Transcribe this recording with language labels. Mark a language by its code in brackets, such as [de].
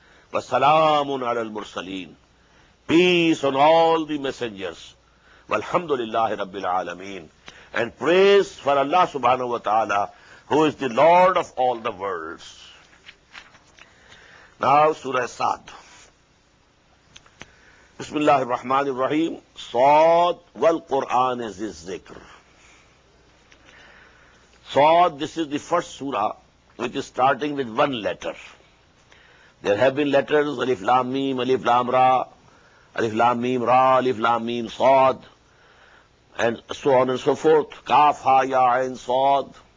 [ar] Wa salamun ala al-mursaleen. [en] Peace on all the messengers. [ar] Walhamdulillahi rabbil alameen. [en] And praise for Allah subhanahu wa ta'ala, who is the Lord of all the worlds. Now Surah Sa'd. [ar] بسم الله الرحمن الرحيم صاد والقرآن ذي الذكر. [en] صاد, this is the first surah which is starting with one letter. There have been letters alif lam mim, alif lam ra, alif lam mim ra, alif lam mim صاد, and so on and so forth, kaf ha ya ain صاد.